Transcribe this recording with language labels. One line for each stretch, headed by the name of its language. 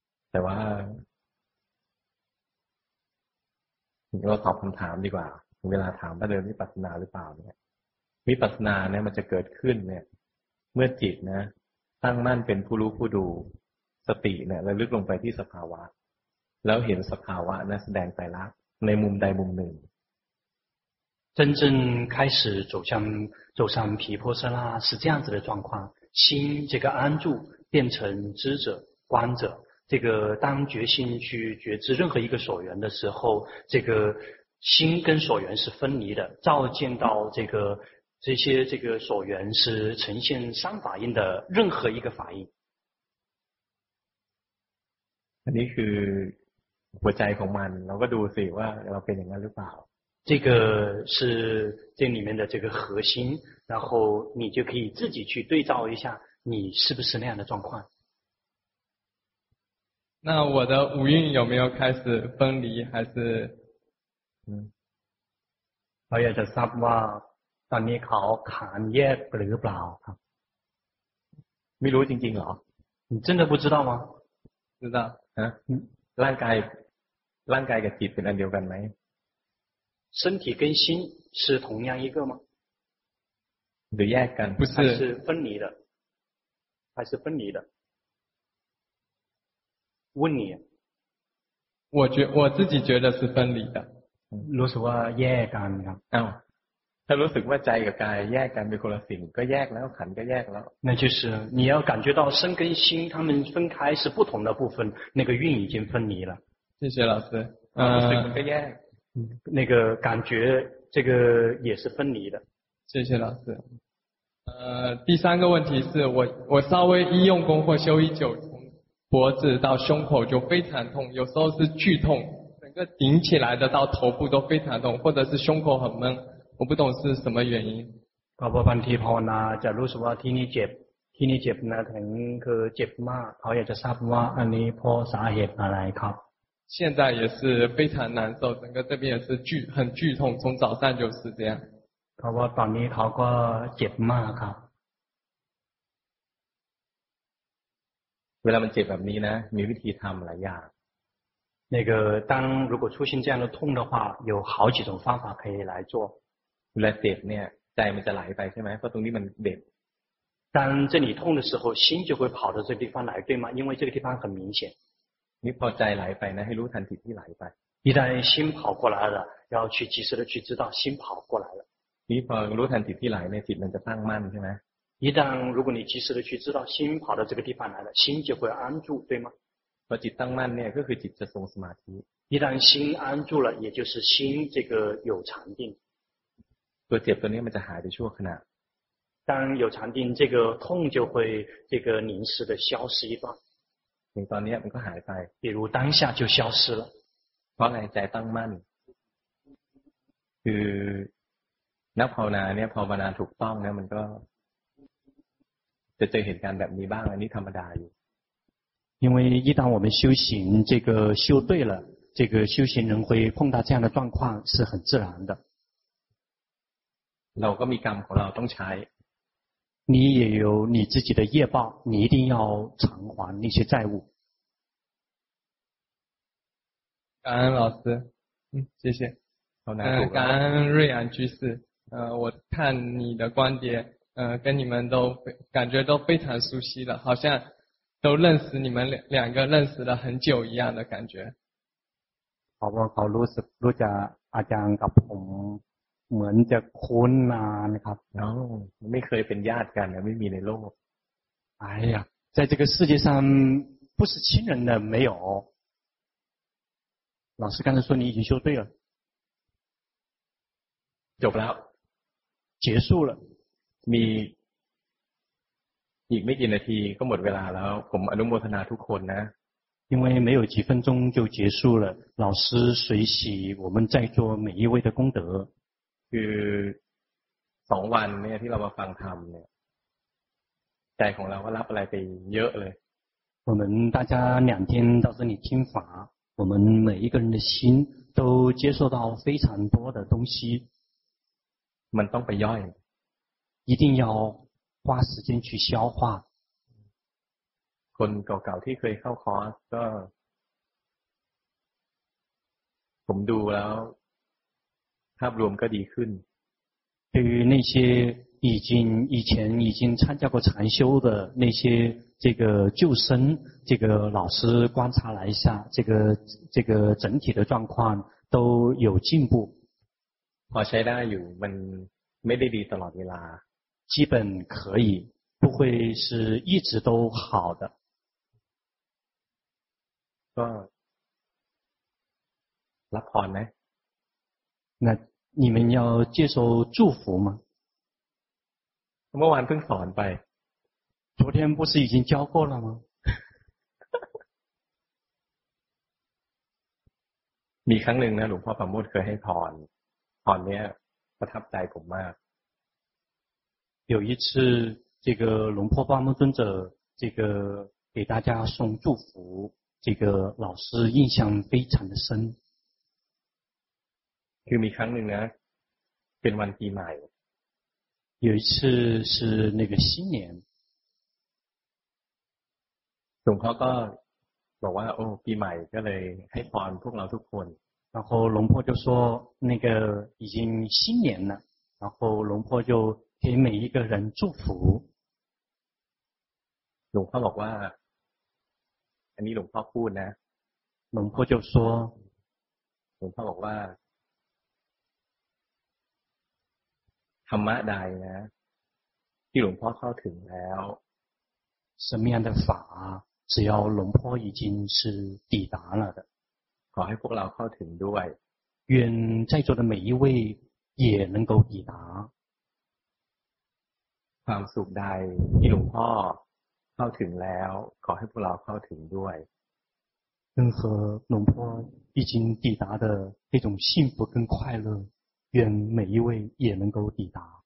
Thai: แต่ว่าเราตอบคำถามดีกว่าเวลาถามว่าเดินวิปัสสนาหรือเปล่าเนี่ยวิปัสสนาเนี่ยมันจะเกิดขึ้นเนี่ยเมื่อจิตนะตั้งมั่นเป็นผู้รู้ผู้ดูสติเนี่ยระลึกลงไปที่สภาวะแล้วเห็นสภาวะนะแสดงไตรลักษณ์ในมุมใดมุมหนึ่ง
Chinese: 真正开始走上毗婆舍那是这样子的状况心这个安住变成知者观者这个当决心去觉知任何一个所缘的时候，这个心跟所缘是分离的，照见到这些所缘是呈现三法印的任何一个法印。
Thai: อันนี้คือหัวใจของมันเราก็ดูสิว่าเราเป็นอย่างนั้นหรือเปล่า
Chinese: 这个是这里面的这个核心，然后你就可以自己去对照一下，你是不是那样的状况。那我的五蕴有没有开始分离还是
Thai: เราอยากจะทราบว่าตอนนี้เขาขานแยกหรือเปล่าครับ ไม่รู้จริงๆหร
Chinese: อ你真的不知道吗知道啊
Thai: ร่างกายกับจิตเป็นอันเดียวกันไหม
Chinese: 身体跟心是同样一个吗
Thai: หรือแยกกัน
Chinese: 不是还是分离的问你我自己觉得是分离的
Thai: รู้สึกว่าแยกกันครับ อ้าวถ้ารู้สึกว่าใจกับกายแยกกันเป็นคนละสิ่งก็แยกแล้วขันก็แยกแล้ว
Chinese: 那就是你要感觉到身跟心他们分开是不同的部分那个运已经分离了谢谢老师个样那个感觉这个也是分离的谢谢老师第三个问题是我稍微一用功或修一久脖子到胸口就非常痛有时候是剧痛整个顶起来的到头部都非常痛或者是胸口很闷我不懂是什么原因
Thai: ก็บางทีพอนะจะรู้สึกว่าที่นี่เจ็บที่นี่เจ็บนะถึงคือเจ็บมากเขาอยากจะทราบว่าอันนี้เพราะสาเหตุอะไรครับ
Chinese: 现在也是非常难受整个这边也是很剧痛从早上就是这样
Thai: เพราะว่าตอนนี้เขาก็เจ็บมากครับ เวลามันเจ็บแบบนี้นะมีวิธีทำหลายอย่าง
Chinese: 那个当如果出现这样的痛的话有好几种方法可以来做
Thai: เวลาเจ็บเนี่ยใจมันจะไหลไปใช่ไหมเพราะตรงนี้มันเด็ด
Chinese: 当这里痛的时候心就会跑到这地方来对吗因为这个地方很明显
Thai: นี่พอใจไหลไปนะให้รู้ทันจิตที่ไหลไป
Chinese: 一旦心跑过来了要去及时的去知道心跑过来了
Thai: นี่พอรู้ทันจิตที่ไหลเนี่ยจิตมันจะตั้งมั่นใช่ไหม
Chinese: 一旦如果你及时的去知道心跑到这个地方来了，心就会安住，对吗？
Thai: 把จิตตั้งมั่นเนี่ยก็คือจิตจะทรงสมาธิ。
Chinese: 一旦心安住了，也就是心这个有禅定。
Thai: ตัวเจ็บตัวนี้มันจะหายไปชั่วขณะ。
Chinese: 当有禅定，这个痛就会这个临时的消失一段。
Thai: 你ตอนนี้มันก็หายไป。
Chinese: 比如当下就消失了。
Thai: เพราะไงใจตั้งมั่น。 คือนักภาวนาเนี่ยภาวนาถูกต้องเนี่ยมันก็จะเจอเหตุการณ์แบบนี้บ้างอันนี้ธรรมดาอยู่
Chinese: 因为一旦我们修行这个修对了这个修行人会碰到这样的状况是很自然的
Thai: เราก็มีกรรมของเราต้องใช้
Chinese: 你也有你自己的业报你一定要偿还那些债务感恩老师谢谢好难过感恩瑞安居士我看你的观点跟你们都感觉都非常熟悉了好像都认识你们两个认识了很久一样的感觉好不好如果
Thai: จะอาจารย์กับผมเหมือนจะคุ้นนานครับ เนาะไม่เคยเป็นญาติกันไม่มีในโลก
Chinese: 哎呀在这个世界上不是亲人的没有老师刚才说你已经修对了走不了结束了
Thai: มีอีกไม่กี่นาทีก็หมดเวลาแล้วผมอนุโมทนาทุกคนนะ
Chinese: 因为没有几分钟就结束了老师随喜我们在座每一位的功德
Thai: คือ2วันเนี่ยที่เรามาฟังธรรมเนี่ยใจของเราก็รับอะไรไปเยอะเลย
Chinese: 我们大家两天到这里听法我们每一个人的心都接受到非常多的东西
Thai: มันต้องไปย่อย
Chinese: 一定要花时间去消化
Thai: คนเก่าๆที่เคยเข้าคอร์สก็ผมดูแล้วภาพรวมก็ดีขึ้น
Chinese: 对于那些以前参加过禅修的那些这个旧生这个老师观察了一下这个整体的状况都有进步
Thai: พอใช้ได้อยู่มันไม่ได้ดีตลอดเวลา
Chinese: 基本可以不会是一直都好的
Thai: ก็รับพรไหม
Chinese: 那你们要接受祝福吗
Thai: เมื่อวานเพิ่งสอนไป
Chinese: 昨天不是已经教过了吗
Thai: มีครั้งหนึ่งนะหลวงพ่อประโมทเคยให้พรพรเนี้ยประทับใจผมมาก
Chinese: 有一次这个龙婆巴木尊者这个给大家送祝福这个老师印象非常的深
Thai: คือมีครั้งหนึ่งนะเป็นวันปีใหม่
Chinese: 有一次是那个新年
Thai: หลวงพ่อก็บอกว่าโอ้ปีใหม่ก็เลยให้พรพวกเราทุกคน
Chinese: 然后龙婆就说那个已经新年了然后龙婆就给每一个人祝福
Thai: หลวงพ่อบอกว่าอันนี้หลวงพ่อพูดนะ
Chinese: หลวงพ่อ就说
Thai: หลวงพ่อบอกว่าธรรมะใดนะที่หลวงพ่อเข้าถึงแล้ว
Chinese: 什么样的法只要龙婆已经是抵达了的
Thai: ขอให้พวกเราเข้าถึงด้วย
Chinese: 愿在座的每一位也能够抵达
Thai: ความสุขใดที่หลวงพ่อเข้าถึงแล้วขอให้พวกเราเข้าถึงด้วย
Chinese: 任何หลวงพ่อ已经抵达的那种幸福跟快乐愿每一位也能够抵达